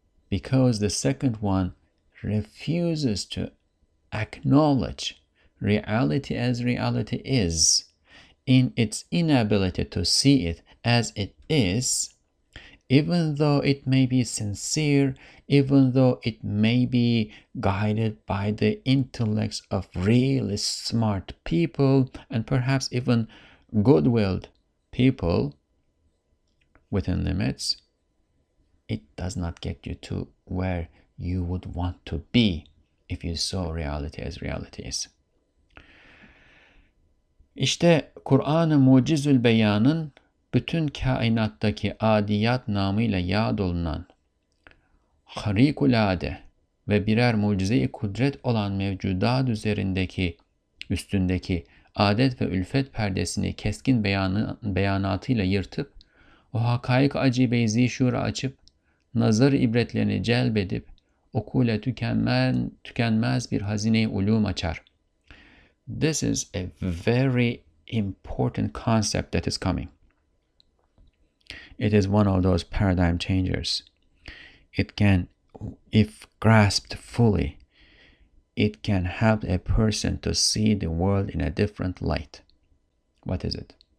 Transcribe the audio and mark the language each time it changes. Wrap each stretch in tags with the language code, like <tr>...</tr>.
<en>Because the second one refuses to acknowledge reality as reality is, in its inability to see it as it is, even though it may be sincere, even though it may be guided by the intellects of really smart people, and perhaps even good-willed people within limits, it does not get you to where you would want to be if you saw reality as reality is.</en> <tr>İşte Kur'an-ı Mucizül Beyan'ın bütün kainattaki adiyat namıyla yad olunan harikulade ve birer mucize-i kudret olan mevcudat üstündeki adet ve ülfet perdesini keskin beyanatıyla yırtıp, o hakaik acibeyi zişura açıp, nazar ibretlerini celbedip, okule tükenmez bir hazine-i ulum açar.</tr> <en>This is a very important concept that is coming. It is one of those paradigm changers. It can, if grasped fully, it can help a person to see the world in a different light. What is it?</en>